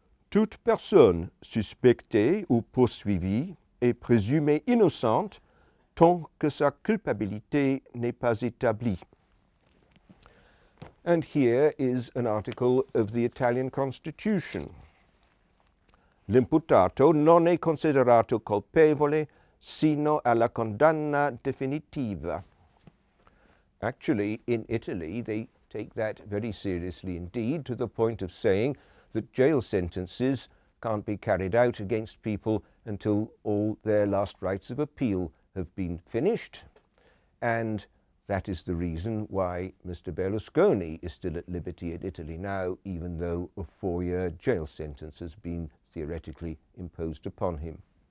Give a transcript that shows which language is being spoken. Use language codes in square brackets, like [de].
[fr] "Toute personne suspectée ou poursuivie est présumée innocente tant que sa culpabilité n'est pas établie." [en] And here is an article of the Italian Constitution. [it] L'imputato non è considerato colpevole sino alla condanna definitiva. [en] Actually, in Italy, they take that very seriously indeed, to the point of saying that jail sentences can't be carried out against people until all their last rights of appeal have been finished. And that is the reason why Mr. Berlusconi is still at liberty in Italy now, even though a 4-year jail sentence has been theoretically imposed upon him.